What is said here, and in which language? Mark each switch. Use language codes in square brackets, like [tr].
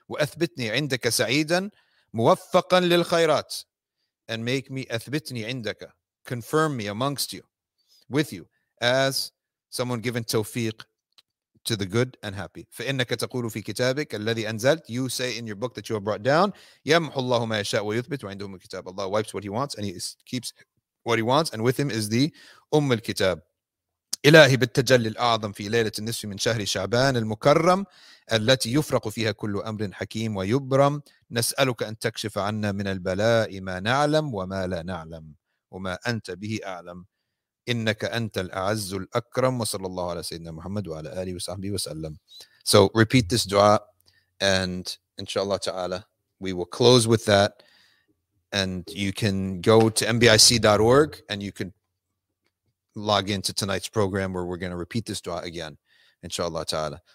[ar] وَأَثْبِتْنِي عِنْدَكَ سَعِيدًا مُوَفَّقًا لِلْخَيْرَاتِ [en] And make me, [ar] أَثْبِتْنِي عِنْدَكَ [en] Confirm me amongst you, with you, as someone given tawfiq to the good and happy. [ar] فَإِنَّكَ تَقُولُ فِي كِتَابِكَ الَّذِي أَنزَلْتِ [en] You say in your book that you have brought down, [ar] يَمْحُ اللَّهُ مَا يَشَاءُ وَيُثْبِتُ وَعِنْدُهُمُ الْكِتَابِ [en] Allah wipes what He wants and He keeps what he wants, and with him is the Umm al-Kitab. [ar] إلهي بالتجلي الأعظم في ليلة النصف من شهر شعبان المكرم التي يفرق فيها كل أمر حكيم ويبرم نسألك أن تكشف عنا من البلاء ما نعلم وما لا نعلم وما أنت به أعلم إنك أنت الأعز الأكرم وصلى الله على سيدنا محمد وعلى آله وصحبه وسلم. [en] So repeat this dua and inshallah ta'ala we will close with that, and you can go to mbic.org and you can log into tonight's program where we're going to repeat this dua again, inshallah ta'ala.